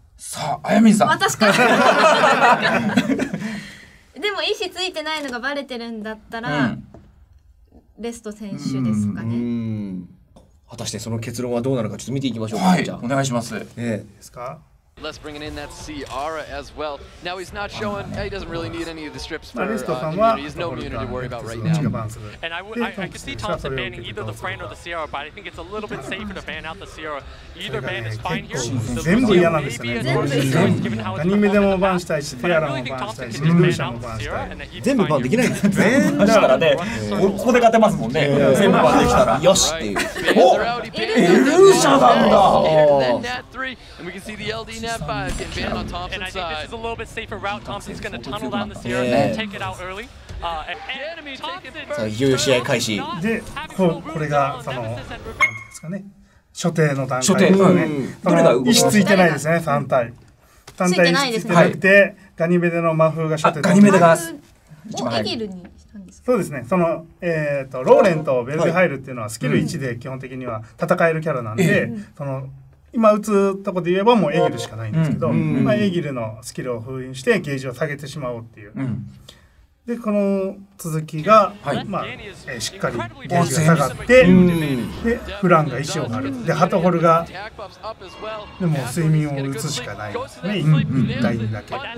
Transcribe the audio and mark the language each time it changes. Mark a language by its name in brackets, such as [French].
[Japanese] さあ、あやみさん。私か。でも意思ついてないのがバレてるんだったら、うん、レスト選手ですかね。うん、果たしてその結論はどうなのかちょっと見ていきましょうか。はい、じゃあお願いします。ですか。 [English] Let's bring in that Ciara as well. Now he's not showing. He doesn't really need any of the strips for immunity. He's no immunity to worry about right now. And I can see Thompson banning either the Fran or the Ciara, but I think it's a little bit safer to ban out the Ciara. Either ban is fine here. The most obvious given how it's going. [Japanese] Anime でもバンしたいし、ティアラもバンしたいし、ルルーシャもバンしたい。全部バンできないんです。全部したらね、ここで勝てますもんね。全部バンできたらよしっていう。お、ルーシャなんだ。 [English] And we can see the LD net 5 getting banned on Thompson's side. And I think this is a little bit safer route. Thompson's going to tunnel down the Sierra and take it out early. [Japanese] いよいよ試合開始で、これがその何ですかね、初手の段階ですね。初手、うん、意思ついてないですね、3体 3体意思ついてなくて、ガニメデの魔風が初手、ガニメデが一番入る。そうですね、その、ローレンとベルゼハイルっていうのはスキル1で基本的には戦えるキャラなんで、その今打つとこで言えばもうエギルしかないんですけど、エギルのスキルを封印してゲージを下げてしまおうっていう、でこの続きが、はい、まあ、しっかりゲージが下がって、でフランが石を張る、でハトホルがでも睡眠を打つしかないね、一体だけ